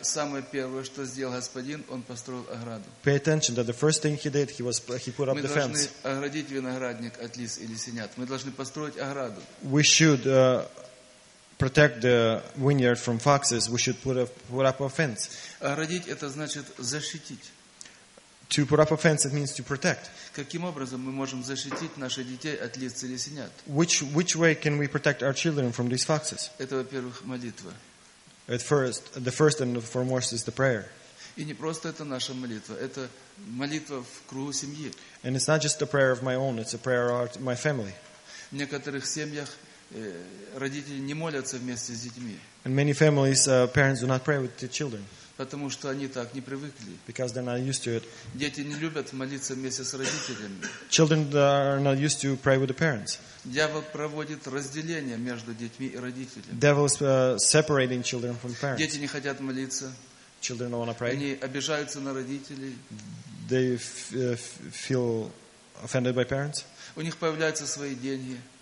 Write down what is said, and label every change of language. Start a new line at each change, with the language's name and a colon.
Russian: Самое первое, что сделал господин, он построил ограду.
English: Pay attention that the first thing he did, he put up the fence.
Russian: Мы должны оградить виноградник от лис или лисенят. Мы должны построить ограду.
English: We should protect the vineyard from foxes. We should put up a fence.
Russian: Оградить это значит защитить.
English: To put up a fence, it means to protect.
Russian: Каким образом мы можем защитить наши детей от лис или лисенят?
English: Which way can we protect our children from these foxes?
Russian: Это, во-первых, молитва.
English: At first, the first and the foremost is the prayer.
Russian: И не просто это наша молитва, это молитва в кругу семьи.
English: And it's not just a prayer of my own, it's a prayer of my family.
Russian: В некоторых семьях родители не молятся вместе с детьми.
English: And many families, parents do not pray with the children.
Russian: Потому что они так не привыкли.
English: Because they're not used to it.
Russian: Дети не любят молиться вместе с родителями.
English: Children are not used to pray with the parents.
Russian: Дьявол проводит разделение между детьми и родителями.
English: Devil is separating children from parents.
Russian: Дети не хотят молиться.
English: Children don't want to pray.
Russian: Они обижаются на родителей.
English: They feel offended by parents.
Russian: У них появляются свои деньги.